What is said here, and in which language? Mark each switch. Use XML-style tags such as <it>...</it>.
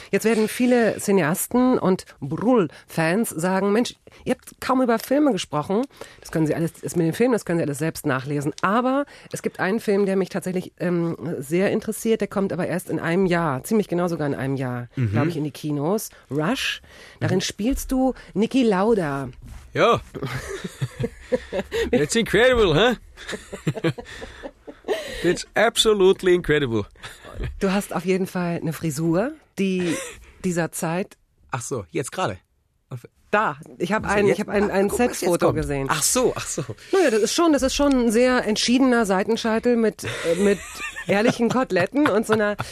<de>Jetzt werden viele Cineasten und Brühl-Fans sagen, Mensch, ihr habt kaum über Filme gesprochen. Das können Sie alles, ist mit dem Film, das können Sie alles selbst nachlesen. Aber es gibt einen Film, der mich tatsächlich sehr interessiert. Der kommt aber erst in einem Jahr, ziemlich genau sogar in einem Jahr, glaube ich, in die Kinos. Rush. Darin spielst du Niki Lauda.</de> <en>Ja, that's incredible, huh? That's absolutely incredible.</en> <de>Du hast auf jeden Fall eine Frisur, die dieser Zeit... Ach so, jetzt gerade? Da, ich habe ein Sexfoto gesehen. Ach so. Naja, das ist schon ein sehr entschiedener Seitenscheitel mit ehrlichen Koteletten und so einer...</de>